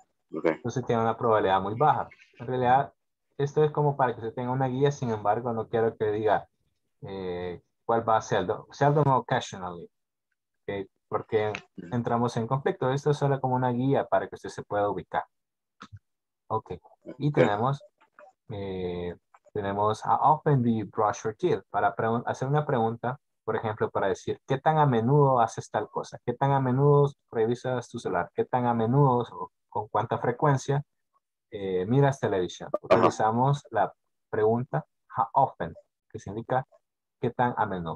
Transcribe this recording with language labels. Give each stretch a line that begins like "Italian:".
Spanish: Entonces tiene una probabilidad muy baja. En realidad, esto es como para que se tenga una guía, sin embargo, no quiero que diga cuál va a seldom. Seldom occasionally. Okay. Porque entramos en conflicto. Esto es solo como una guía para que usted se pueda ubicar. Okay. Y tenemos... tenemos,
English: how often do you brush your teeth?
Spanish: Para hacer una pregunta, por ejemplo, para decir, ¿qué tan a menudo haces tal cosa? ¿Qué tan a menudo revisas tu celular? ¿Qué tan a menudo o con cuánta frecuencia miras televisión? Utilizamos la pregunta,
English: how often,
Spanish: que significa, ¿qué tan a menudo?